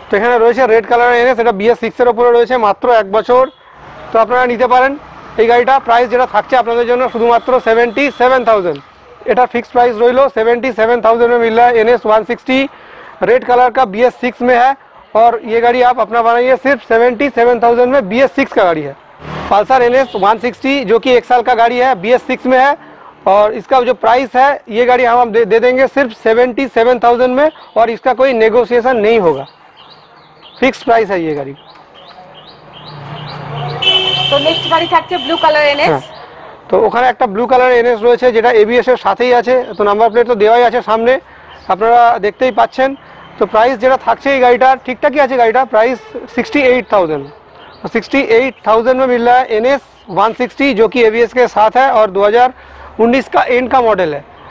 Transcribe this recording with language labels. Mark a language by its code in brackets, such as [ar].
[bn] তো এখানে রয়েছে রেড কালার NS, এটা BS 6 এর উপরে রয়েছে মাত্র 1 বছর। তো আপনারা নিতে পারেন এই গাড়িটা, প্রাইস যেটা থাকছে আপনাদের জন্য শুধুমাত্র 77,000, এটা ফিক্সড প্রাইস রইলো 77,000 [hi] মে মিল রা NS 160 রেড কালার কা BS 6 মে হ্যায় और ये गाड़ी आप अपना बनाइए सिर्फ 77,000 में। BS 6 का गाड़ी है पल्सर NS 160 जो कि 1 साल का गाड़ी है, BS 6 में है और इसका जो प्राइस है ये गाड़ी हम दे देंगे सिर्फ 77,000 में और इसका कोई नेगोशिएशन नहीं होगा, फिक्स प्राइस है ये गाड़ी। तो नेक्स्ट गाड़ी [bn] থাকছে ব্লু কালার NS। [hi] हाँ, तो [bn] ওখানে একটা ব্লু কালার NS রয়েছে যেটা ABS এর সাথেই আছে, তো নাম্বার প্লেট তো দেওয়াই আছে সামনে আপনারা দেখতেই পাচ্ছেন। তো প্রাইস যেটা থাকছে এই গাড়িটা ঠিকঠাকই আছে, গাড়িটা প্রাইস 68,000 [hi] মে মিল রা NS 160 যো কি ABS কে সাথ হ্যায় আর 2019 কা এন্ড কা মডেল হ্যায়।